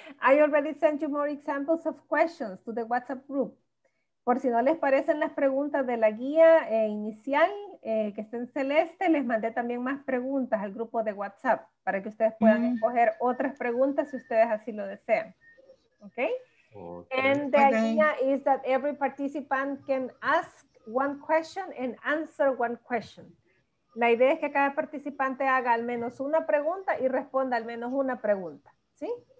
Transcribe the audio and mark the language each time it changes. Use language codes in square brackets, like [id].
[en] I already sent you more examples of questions to the WhatsApp group. [es] Por si no les parecen las preguntas de la guía inicial, que está en celeste, les mandé también más preguntas al grupo de WhatsApp para que ustedes puedan escoger otras preguntas si ustedes así lo desean. Okay? Okay. [en] And the idea is that every participant can ask one question and answer one question. [es] La idea es que cada participante haga al menos una pregunta y responda al menos una pregunta, ¿sí?